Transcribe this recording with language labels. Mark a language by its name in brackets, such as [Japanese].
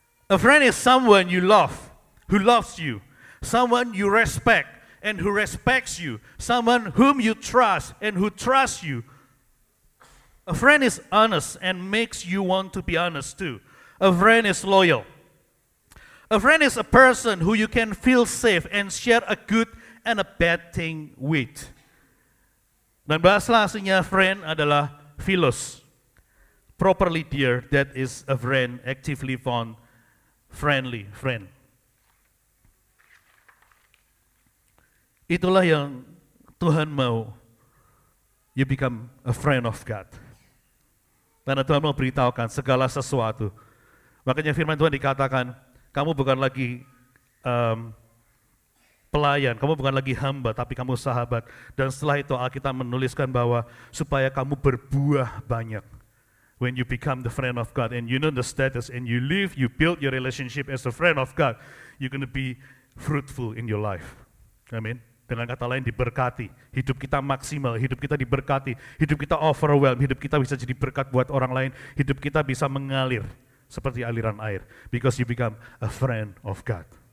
[English] A friend is someone you love, who loves you, someone you respect and who respects you, someone whom you trust and who trusts you. A friend is honest and makes you want to be honest too. A friend is loyal. A friend is a person who you can feel safe and share a good and a bad thing with. [Indonesian] Dan bahasa aslinya friend adalah philos. [English] properly dear, that is a friend, actively fond, friendly friend. [Indonesian] Itulah yang Tuhan mau, [English] you become a friend of God. [Indonesian] Karena Tuhan mau beritahukan segala sesuatu. Makanya firman Tuhan dikatakan, kamu bukan lagi pelayan, kamu bukan lagi hamba, tapi kamu sahabat. Dan setelah itu Alkitab menuliskan bahwa supaya kamu berbuah banyak. [English] When you become the friend of God and you know the status and you live, you build your relationship as a friend of God, you're going to be fruitful in your life. [Indonesian] Amin. Dengan kata lain diberkati, hidup kita maksimal, hidup kita diberkati, hidup kita overwhelmed, hidup kita bisa jadi berkat buat orang lain, hidup kita bisa mengalir seperti aliran air. [English] Because you become a friend of God.